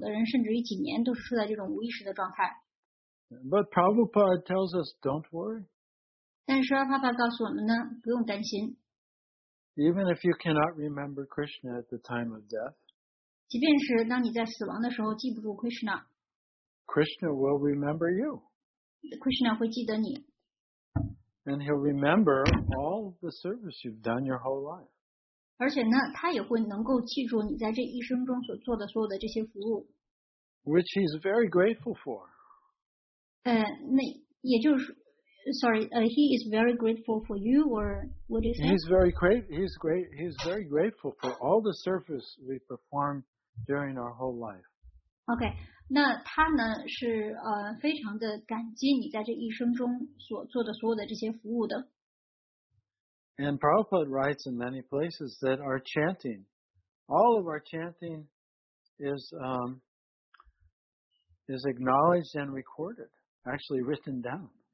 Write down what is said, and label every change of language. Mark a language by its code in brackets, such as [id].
[zh] 而且呢，有很多有一些人呢，在死亡之前，他的这个大脑是处在一种无意识的状态的，他可能是有好几个小时，甚至于好几个天，那有的人甚至于几年都是处在这种无意识的状态。 [en] But Prabhupada tells us, don't worry. [zh] 但是阿爸爸告诉我们呢，不用担心。 [en] Even if you cannot remember Krishna at the time of death, [zh] 即便是当你在死亡的时候记不住 Krishna, [en] Krishna will remember you. [zh] Krishna 会记得你, [en] and he'll remember all the service you've done your whole life. [zh] 而且呢，他也会能够记住你在这一生中所做的所有的这些服务, [en] which he's very grateful for. [zh] 那也就是。 [en] Sorry, he is very grateful for you, or what is he? He's very grateful for all the service we perform during our whole life. [zh] Okay, 那他呢是非常的感激你在这一生中所做的所有的这些服务的。 [en] And Prabhupada writes in many places that our chanting, all of our chanting, is acknowledged and recorded, actually written down.